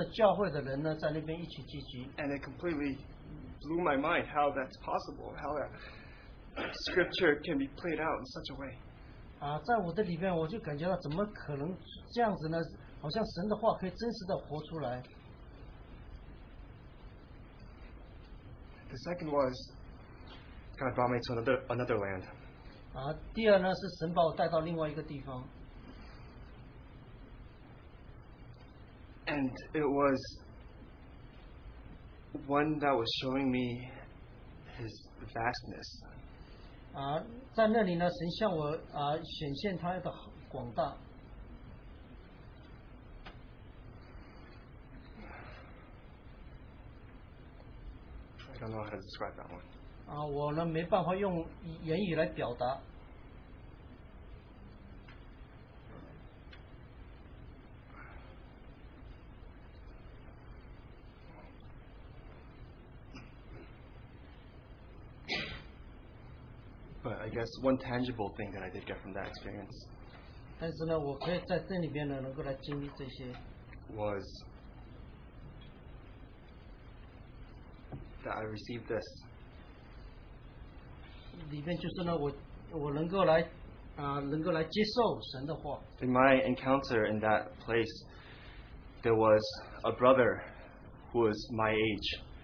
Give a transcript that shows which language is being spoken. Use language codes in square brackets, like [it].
[zh] 第一呢，是我跟一些成熟的教会的人呢，在那边一起聚集。And [en] it completely blew my mind how that's possible, how that scripture can be played out in such a way. [zh] 在我的里面，我就感觉到怎么可能这样子呢？好像神的话可以真实的活出来。The [en] second was God brought me to another land. [zh] 第二呢，是神把我带到另外一个地方。 [en] And it was one that was showing me his vastness. [zh] 在那里呢，神向我显现他的广大。 [en] I don't know how to describe that one. [zh] 我呢，没办法用言语来表达。 [en] But I guess one tangible thing that I did get from that experience [zh] 但是呢,我可以在这里面呢,能够来经历这些 [en] was that I received this [zh] 里面就是呢,我能够来接受神的话 [en] In my encounter in that place, there was a brother who was my age